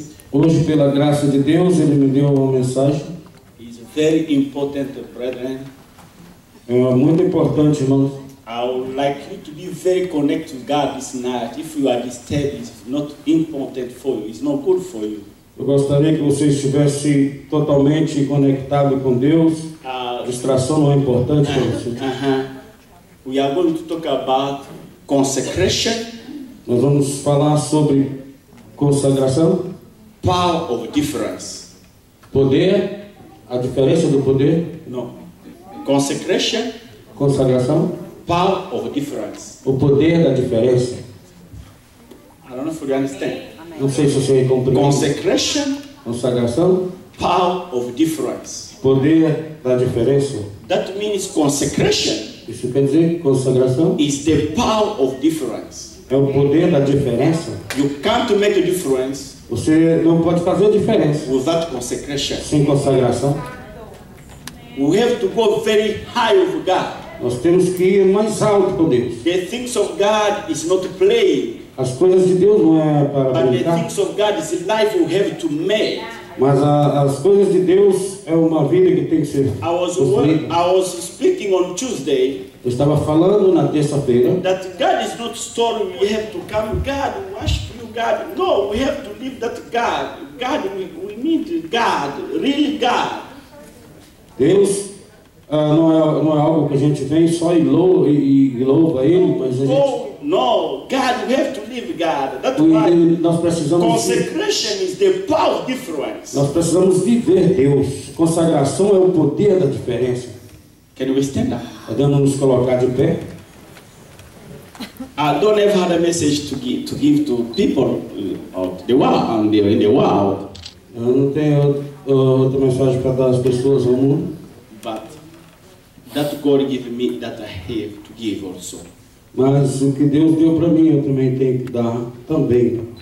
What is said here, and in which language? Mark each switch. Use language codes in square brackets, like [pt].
[pt] Hoje, pela graça de Deus, Ele me deu uma mensagem. [en] It's very important, brethren. [pt] É muito importante, irmãos. [en] I would like you to be very connected to God this night. If you are disturbed, it's not important for you. It's not good for you. [pt] Eu gostaria que você estivesse totalmente conectado com Deus. Distração não é importante para você. [en] We are going to talk about consecration. [pt] Nós vamos falar sobre consagração. [en] Power of difference. [pt] Poder, a diferença do poder. [en] No. Consecration. [pt] Consagração. [en] Power of difference. [pt] O poder da diferença. [en] I don't know if you understand. [pt] Não sei se você compreende. [en] Consecration. [pt] Consagração. [en] Power of difference. [pt] Poder da diferença. [en] That means consecration. [pt] Isso quer dizer consagração? [en] Is the power of difference. [pt] É o poder da diferença. [en] You can't make a difference. [pt] Você não pode fazer a diferença. [en] Without consecration. [pt] Sem consagração. [en] We have to go very high with God. [pt] Nós temos que ir mais alto com Deus. [en] The things of God is not play. [pt] As coisas de Deus não é para [en] But the things of God is life we have to make. [pt] Mas as coisas de Deus é uma vida que tem que ser construída. [en] I was speaking on Tuesday. [pt] Eu estava falando na terça-feira. [en] That God is not story. We have to come. God, worship you, God. No, we have to live that God. God, we need God, really God. [pt] Deus não é algo que a gente vem só e louva ele, mas a gente. [en] No, God, we have to live God. That's why [pt] nós precisamos [en] consecration is the power difference. [pt] Nós precisamos viver Deus. Consagração é o poder da diferença. [en] Can we stand up? [pt] Podemos nos colocar de pé? [en] I don't ever had a message to give to people out the world and in the world. [pt] Eu não tenho outra mensagem para dar às pessoas ao mundo. [en] But that God gave me that I have to give also. [pt] Mas o que Deus deu para mim, eu também tenho que dar também.